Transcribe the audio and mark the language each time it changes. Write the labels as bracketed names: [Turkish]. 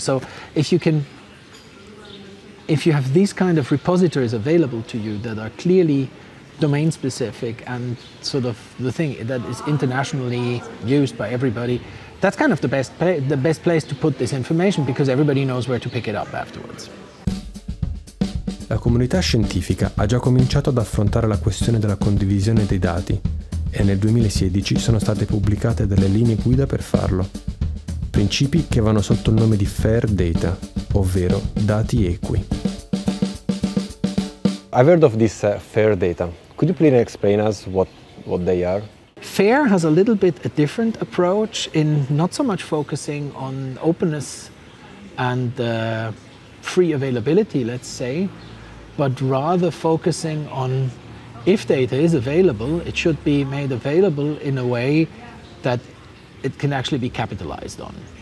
[English] So if you have these kind of repositories available to you that are clearly domain specific and sort of the thing that is internationally used by everybody, that's kind of the best place to put this information, because everybody knows where to pick it up afterwards. [Italian] La comunità scientifica ha già cominciato ad affrontare la questione della condivisione dei dati, e nel 2016 sono state pubblicate delle linee guida per farlo, principi che vanno sotto il nome di fair data, ovvero dati equi. [English] I've heard of this FAIR data. Could you please explain us what they are? FAIR has a little bit a different approach in not so much focusing on openness and free availability, let's say, but rather focusing on if data is available, it should be made available in a way that it can actually be capitalized on.